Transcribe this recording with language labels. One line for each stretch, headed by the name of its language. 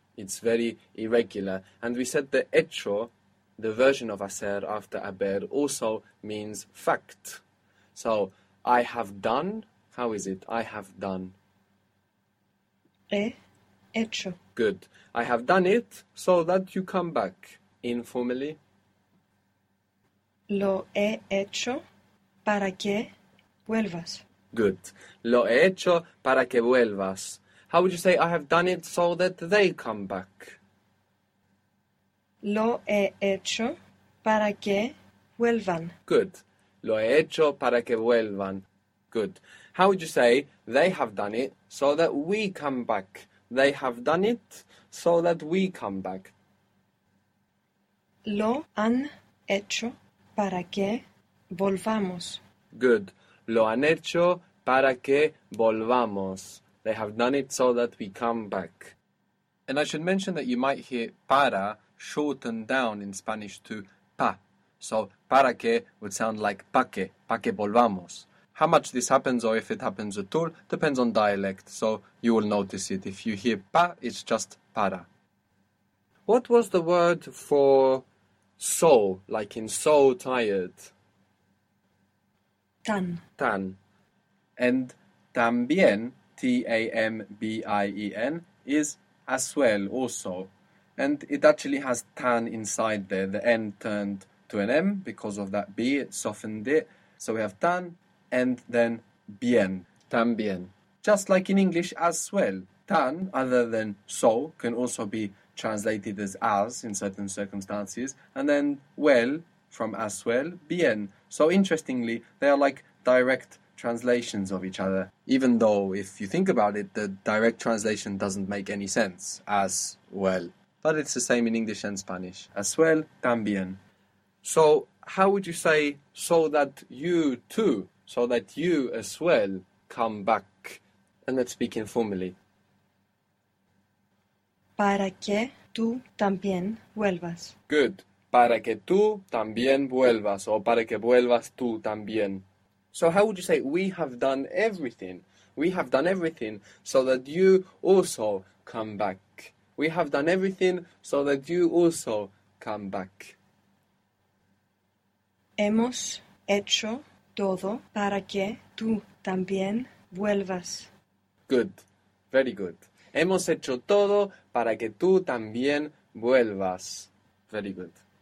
English: It's very irregular. And we said the hecho, the version of hacer after haber, also means fact. So, I have done. How is it? I have done.
Spanish: He hecho.
English: Good. I have done it so that you come back. Informally.
Spanish: Lo he hecho para que vuelvas.
English: Good.
Spanish: Lo he hecho para que vuelvas.
English: How would you say, I have done it so that they come back?
Spanish: Lo he hecho para que vuelvan.
English: Good.
Spanish: Lo he hecho para que vuelvan.
English: Good. How would you say, they have done it so that we come back? They have done it so that we come back.
Spanish: Lo han hecho para que volvamos.
English: Good.
Spanish: Lo han hecho para que volvamos.
English: They have done it so that we come back. And I should mention that you might hear para shortened down in Spanish to pa. So para que would sound like
Spanish: pa que volvamos.
English: How much this happens or if it happens at all depends on dialect. So you will notice it. If you hear pa, it's just para. What was the word for so, like in so tired?
Spanish: Tan.
English: Tan. And también, T-A-M-B-I-E-N, is as well, also. And it actually has tan inside there. The N turned to an M because of that B, it softened it. So we have tan and then bien, también. Just like in English, as well. Tan, other than so, can also be translated as in certain circumstances. And then well, from as well, bien. So interestingly, they are like direct translations of each other, even though if you think about it, the direct translation doesn't make any sense, as well. But it's the same in English and Spanish. As well, también. So, how would you say, so that you too, so that you as well, come back? And let's speak informally.
Spanish: Para que tú también vuelvas.
English: Good.
Spanish: Para que tú también vuelvas, or para que vuelvas tú también.
English: So how would you say, we have done everything? We have done everything so that you also come back. We have done everything so that you also come back.
Spanish: Hemos hecho todo para que tú también vuelvas.
English: Good. Very good.
Spanish: Hemos hecho todo para que tú también vuelvas.
English: Very good.